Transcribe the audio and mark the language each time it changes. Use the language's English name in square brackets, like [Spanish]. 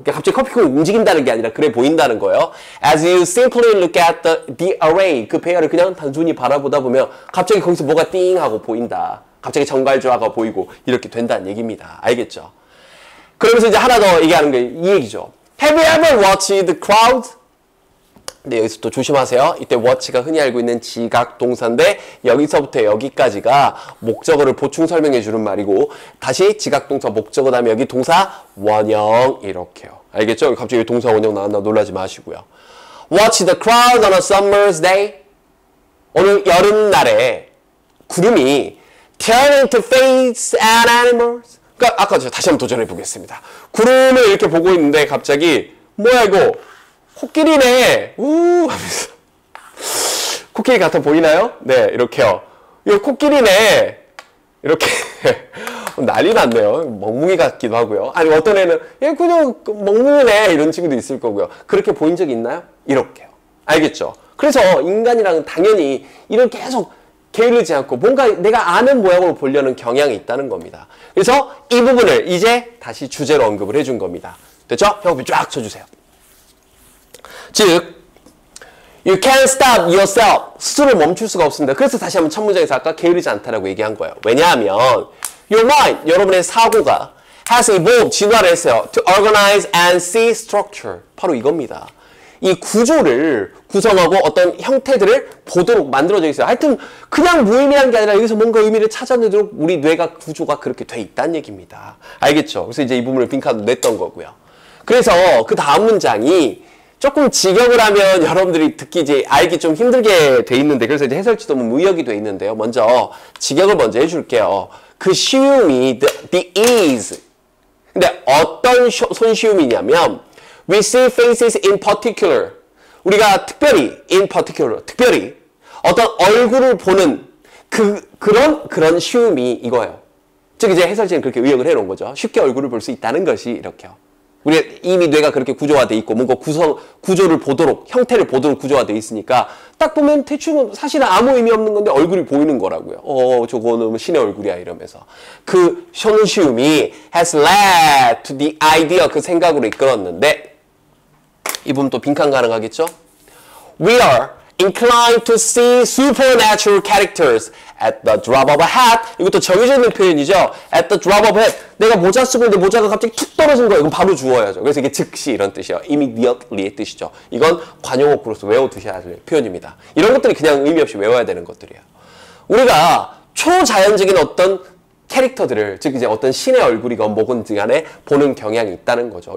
[Korean] 그러니까 갑자기 커피콩이 움직인다는 게 아니라 그래 보인다는 거예요. [English] As you simply look at the array, [Korean] 그 배열을 그냥 단순히 바라보다 보면 갑자기 거기서 뭐가 띵 하고 보인다. 갑자기 정갈조화가 보이고 이렇게 된다는 얘기입니다. 알겠죠? 그러면서 이제 하나 더 얘기하는 게 이 얘기죠. [English] Have you ever watched the crowd? [Korean] 근데 여기서 또 조심하세요. 이때 watch가 흔히 알고 있는 지각 동사인데 여기서부터 여기까지가 목적어를 보충 설명해 주는 말이고 다시 지각 동사 목적어 다음에 여기 동사 원형 이렇게요. 알겠죠? 갑자기 동사 원형 나왔나 놀라지 마시고요. [English] Watch the crowd on a summer's day. [Korean] 오늘 여름날에 구름이 [English] turn into face and animals. [Korean] 그러니까 아까 다시 한번 도전해 보겠습니다. 구름을 이렇게 보고 있는데 갑자기 뭐야 이거? 코끼리네! 하면서. 코끼리 같아 보이나요? 네, 이렇게요. 이거 코끼리네! 이렇게. 난리 났네요. 멍뭉이 같기도 하고요. 아니, 어떤 애는, 얘 그냥 멍뭉이네! 이런 친구도 있을 거고요. 그렇게 보인 적 있나요? 이렇게요. 알겠죠? 그래서 인간이랑은 당연히 이런 계속 게으르지 않고 뭔가 내가 아는 모양으로 보려는 경향이 있다는 겁니다. 그래서 이 부분을 이제 다시 주제로 언급을 해준 겁니다. 됐죠? 형님 쫙 쳐주세요. [English] 즉, you can't stop yourself. [Korean] 스스로 멈출 수가 없습니다. 그래서 다시 한번 첫 문장에서 아까 게으르지 않다라고 얘기한 거예요. 왜냐하면 [English] your mind, [Korean] 여러분의 사고가 [English] has evolved, [Korean] 진화를 했어요. [English] To organize and see structure. [Korean] 바로 이겁니다. 이 구조를 구성하고 어떤 형태들을 보도록 만들어져 있어요. 하여튼 그냥 무의미한 게 아니라 여기서 뭔가 의미를 찾아내도록 우리 뇌가 구조가 그렇게 돼 있다는 얘기입니다. 알겠죠? 그래서 이제 이 부분을 빈칸으로 냈던 거고요. 그래서 그 다음 문장이 조금 직역을 하면 여러분들이 듣기 이제 알기 좀 힘들게 돼 있는데 그래서 이제 해설지도 무역이 돼 있는데요. 먼저 직역을 먼저 해줄게요. 그 쉬움이 the ease. 근데 어떤 손쉬움이냐면 [English] we see faces in particular. [Korean] 우리가 특별히 in particular 특별히 어떤 얼굴을 보는 그런 쉬움이 이거예요. 즉 이제 해설지는 그렇게 의역을 해놓은 거죠. 쉽게 얼굴을 볼 수 있다는 것이 이렇게요. 우리 이미 뇌가 그렇게 구조화돼 있고 뭔가 구조를 보도록 형태를 보도록 구조화돼 있으니까 딱 보면 대충은 사실은 아무 의미 없는 건데 얼굴이 보이는 거라고요. 저거는 신의 얼굴이야 이러면서 그 손쉬움이 [English] has led to the idea [Korean] 그 생각으로 이끌었는데 이 부분 또 빈칸 가능하겠죠? [English] We are inclined to see supernatural characters at the drop of a hat. [Korean] 이것도 정의적인 표현이죠. [English] At the drop of a hat. [Korean] 내가 모자 쓰고 있는데 모자가 갑자기 툭 떨어진 거예요. 이건 바로 주어야죠. 그래서 이게 즉시 이런 뜻이에요. Immediately의 뜻이죠. 이건 관용어구로서 외워두셔야 될 표현입니다. 이런 것들이 그냥 의미 없이 외워야 되는 것들이에요. 우리가 초자연적인 어떤 캐릭터들을 즉 이제 어떤 신의 얼굴이건 뭐건 간에 보는 경향이 있다는 거죠.